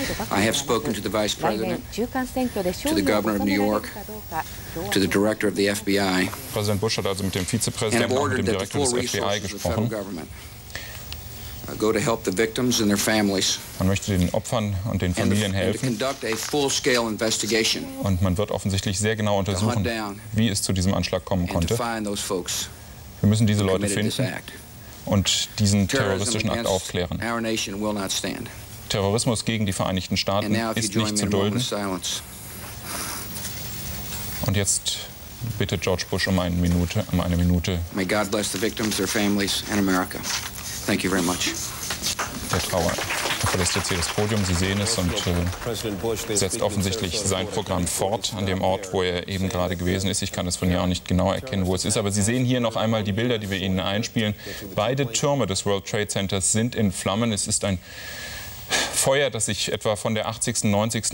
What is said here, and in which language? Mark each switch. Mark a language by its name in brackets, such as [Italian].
[English] I have spoken to the Vice President, to the Governor of New York, to the Director of the FBI. [German] Präsident Bush hat also mit dem Vizepräsidenten und dem Direktor des FBI gesprochen. [English] Go to help the victims and their families. [German] Man möchte den Opfern und den Familien helfen. [English] And to conduct a full-scale investigation. [German] Und man wird offensichtlich sehr genau untersuchen, wie es zu diesem Anschlag kommen konnte. [English] And to find those folks. [German] Wir müssen diese Leute finden und diesen terroristischen Akt aufklären. [English] Our nation will not stand. [German] Terrorismus gegen die Vereinigten Staaten ist nicht zu dulden. Und jetzt bitte George Bush um eine Minute. [English] May God bless the victims, their families and America. Thank you very much. [German] Der Trauer verlässt jetzt hier das Podium. Sie sehen es und setzt offensichtlich sein Programm fort an dem Ort, wo er eben gerade gewesen ist. Ich kann es von hier auch nicht genau erkennen, wo es ist. Aber Sie sehen hier noch einmal die Bilder, die wir Ihnen einspielen. Beide Türme des World Trade Centers sind in Flammen. Es ist ein Feuer, das sich etwa von der 80. 90.